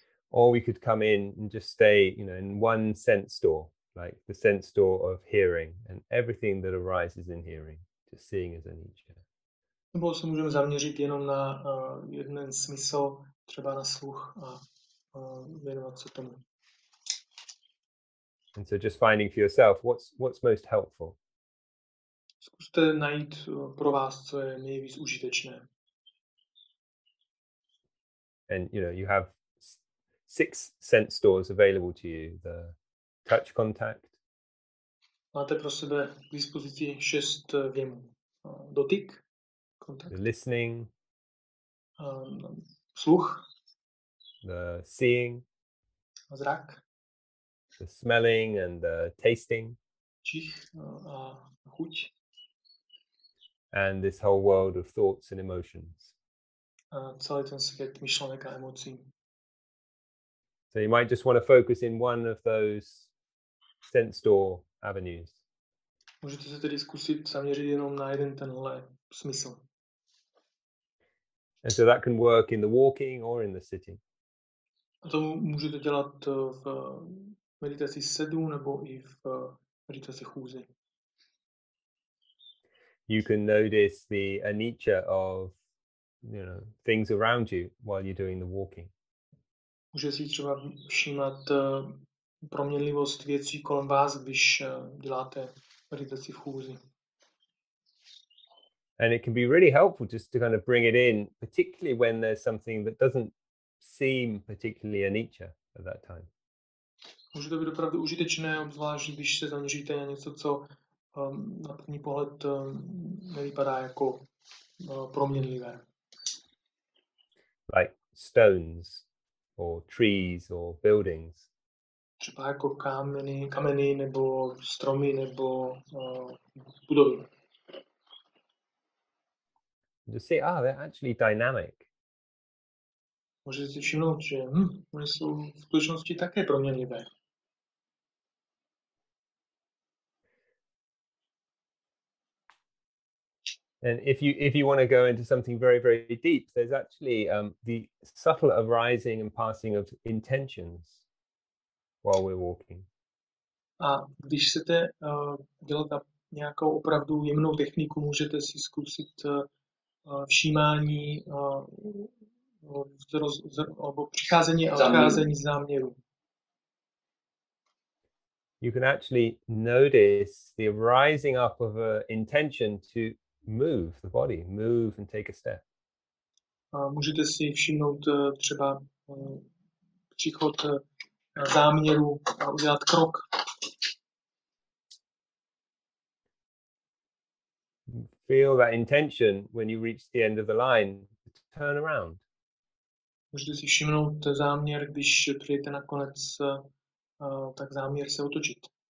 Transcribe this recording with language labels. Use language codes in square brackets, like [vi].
[en] Or we could come in and just stay, you know, in one sense door, like the sense door of hearing and everything that arises in hearing, just seeing as anicca. [cs] Nebo se můžeme zaměřit jenom na jeden smysl, třeba na sluch a věnovat se tomu. [en] And so just finding for yourself what's most helpful. [cs] Zkuste najít pro vás, co je nejvíc užitečné. [en] And you know, you have six sense doors available to you, the touch contact. [cs] Máte pro sebe k dispozici šest vjemů. Dotyk, kontakt. [en] The listening. [cs] Sluch. [en] The seeing. [cs] Zrak. [en] The smelling and the tasting. [cs] Čich a chuť. [en] And this whole world of thoughts and emotions. [cs] A celý ten svět myšlenek a emocí. [en] So you might just want to focus in one of those sense door avenues. [cs] Můžete se tedy zkusit zaměřit jenom na jeden tenhle smysl. [en] And so that can work in the walking or in the sitting. [cs] A to můžete dělat v meditaci sedu nebo i v meditaci chůze. [en] You can notice the anicca of, you know, things around you while you're doing the walking. [cs] Může si třeba všímat proměnlivost věcí kolem vás, když děláte meditaci chůze. [en] And it can be really helpful just to kind of bring it in, particularly when there's something that doesn't seem particularly anicca at that time. [cs] Může to být opravdu užitečné, obzvlášť když se zaměříte na něco, co na první pohled nevypadá jako proměnlivé. [en] Like stones or trees or buildings. [cs] Třeba jako kameny nebo stromy nebo budovy. [en] You see, they're actually dynamic. [cs] Můžete si všimnout, že oni jsou v skutečnosti také proměnlivé. [en] And if you want to go into something very, very deep, there's actually the subtle arising and passing of intentions while we're walking. [cs] A když chcete dělat nějakou opravdu jemnou techniku, můžete si zkusit všímání nebo přicházení a odcházení záměru. [en] You can actually notice the arising up of an intention to move the body, move and take a step. [cs] Můžete si všimnout třeba příchod záměru a udělat krok. [en] Feel that intention when you reach the end of the line to turn around. [cs] Můžete si všimnout záměr, když přijete na konec, tak záměr se otočit.